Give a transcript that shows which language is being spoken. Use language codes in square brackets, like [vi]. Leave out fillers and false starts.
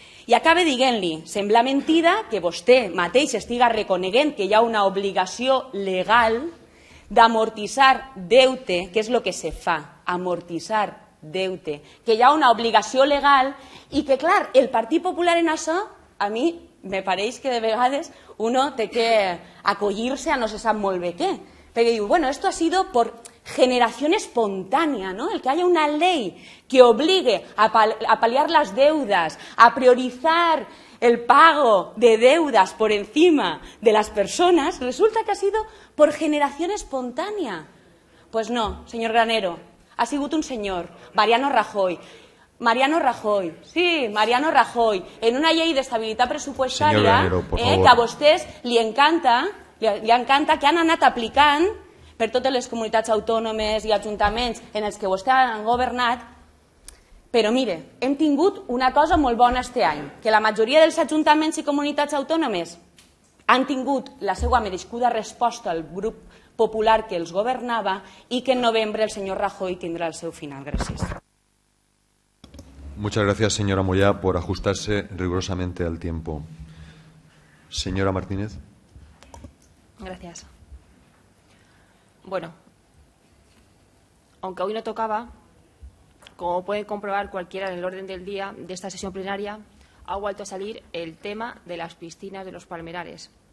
[ca] I acabe diguent-li, sembla mentida que vostè mateix estiga reconeguent que hi ha una obligació legal d'amortitzar deute, que és el que se fa, amortitzar deute, que hi ha una obligació legal i que, clar, el Partit Popular en això, a mi me pareix que de vegades uno té que acollir-se a no se sap molt bé què. Perquè diu, [es] bueno, esto ha sido por generación espontánea, ¿no? El que haya una ley que obligue a paliar las deudas, a priorizar el pago de deudas por encima de las personas, resulta que ha sido por generación espontánea. Pues no, señor Granero, ha sigut un señor, Mariano Rajoy. [ca] Mariano Rajoy, sí, Mariano Rajoy, en una llei d'estabilitat pressupostària, que a vostès li encanta, que han anat aplicant per totes les comunitats autònomes i ajuntaments en els que vostè han governat. Però mire, hem tingut una cosa molt bona este any, que la majoria dels ajuntaments i comunitats autònomes han tingut la seva merescuda resposta al grup popular que els governava i que en novembre el senyor Rajoy tindrà el seu final. Gràcies. [es] Muchas gracias, señora Moyá, por ajustarse rigurosamente al tiempo. Señora Martínez. Gracias. Bueno, aunque hoy no tocaba, como puede comprobar cualquiera en el orden del día de esta sesión plenaria, ha vuelto a salir el tema de las piscinas de los Palmerales.